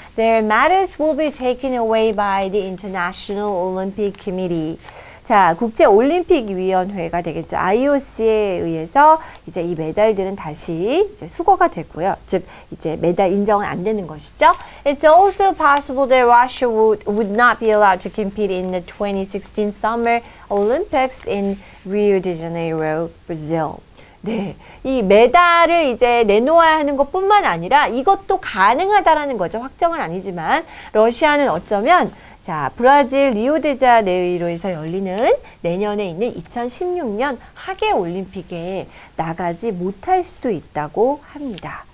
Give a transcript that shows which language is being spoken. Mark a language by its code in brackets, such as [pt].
[en] Their matters will be taken away by the International Olympic Committee. [ko] 자, 국제 올림픽 위원회가 되겠죠. IOC에 의해서 이제 이 메달들은 다시 이제 수거가 됐고요. 즉 이제 메달 인정은 안 되는 것이죠. [en] It's also possible that Russia would not be allowed to compete in the 2016 Summer Olympics in Rio de Janeiro, Brazil. [ko] 네, 이 메달을 이제 내놓아야 하는 것뿐만 아니라 이것도 가능하다라는 거죠. 확정은 아니지만 러시아는 어쩌면 자 브라질 리오데자네이로에서 열리는 내년에 있는 2016년 하계 올림픽에 나가지 못할 수도 있다고 합니다.